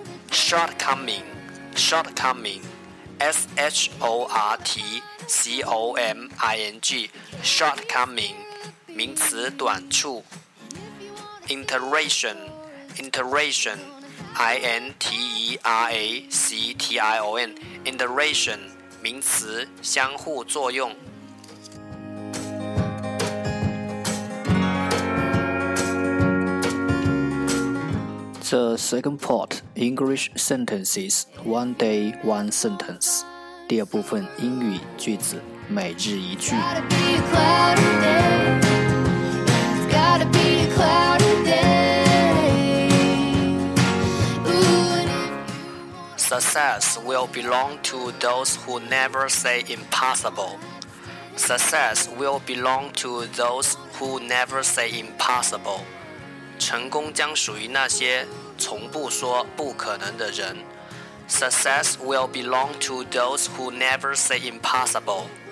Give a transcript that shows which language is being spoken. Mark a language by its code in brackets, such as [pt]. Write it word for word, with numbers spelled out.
[en] Shortcoming, Shortcoming, S H O R T C O M I N G, Shortcoming, [zh] 名词短处 [en] Iteration Iteration, I N T E R A C T I O N, Iteration, [zh] 名词相互作用。 [en] The second part, English sentences, one day, one sentence. [zh] 第二部分英语句子，每日一句。 [en] Success will belong to those who never say impossible. Success will belong to those who never say impossible. [zh] 成功将属于那些从不说不可能的人。 [en] Success will belong to those who never say impossible.